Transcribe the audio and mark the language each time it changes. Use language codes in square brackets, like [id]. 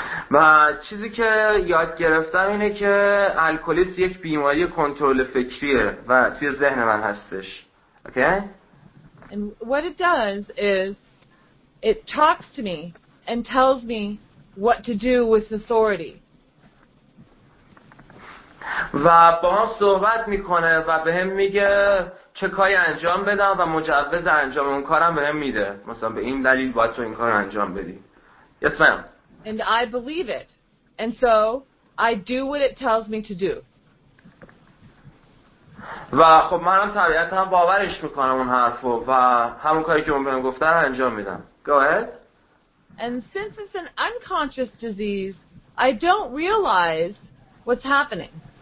[fa] و چیزی که یاد گرفتم اینه که الکلیسم یک بیماری کنترل فکریه و توی ذهن من هستش. [en] Okay? And what it does is it talks to me and tells me what to do with authority. [fa] و با هم صحبت میکنه و به هم میگه چه کاری انجام بدم و مجوز انجام اون کارم به هم میده. مثلا به این دلیل باید تو این کار انجام بدی. [en] Yes, ma'am. And I believe it. And so I do what it tells me to do. [fa] و خب منم طبیعتا باورش میکنم اون حرفو و همون کاری که اون به هم گفته رو انجام میدم. [en] Go ahead. And since it's an unconscious disease, I don't realize what's happening.